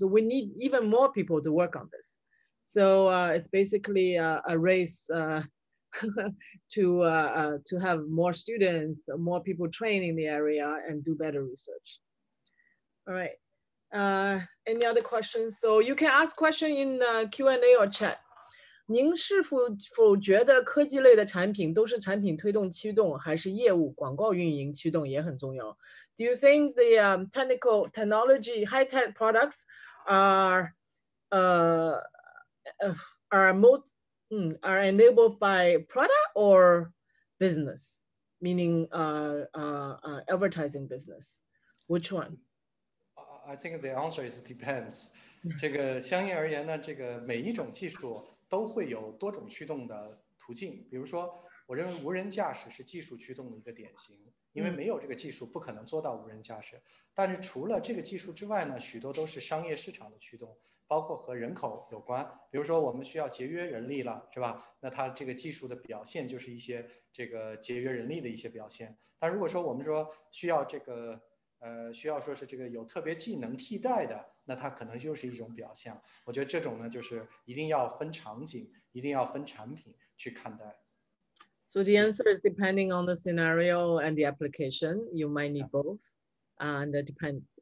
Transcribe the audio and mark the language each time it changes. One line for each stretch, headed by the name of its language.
English: So we need even more people to work on this. So it's basically a race to have more students, more people trained in the area and do better research. All right, any other questions? So you can ask questions in Q&A or chat.
Chinese: 您是否觉得科技类的产品都是产品推动驱动，还是业务广告运营驱动也很重要？
English: Do you think the technology high tech products are enabled by product or business, meaning advertising business? Which one? I think the answer is depends.
Chinese: 这个相应而言呢，这个每一种技术。都会有多种驱动的途径，比如说，我认为无人驾驶是技术驱动的一个典型，因为没有这个技术，不可能做到无人驾驶。但是除了这个技术之外呢，许多都是商业市场的驱动，包括和人口有关。比如说，我们需要节约人力了，是吧？那它这个技术的表现就是一些这个节约人力的一些表现。但如果说我们说需要这个，需要说是这个有特别技能替代的。那它可能就是一种表象，我觉得这种呢，就是一定要分场景，一定要分产品去看待。So
English: the answer is depending on the scenario and the application, you might need both, and it depends.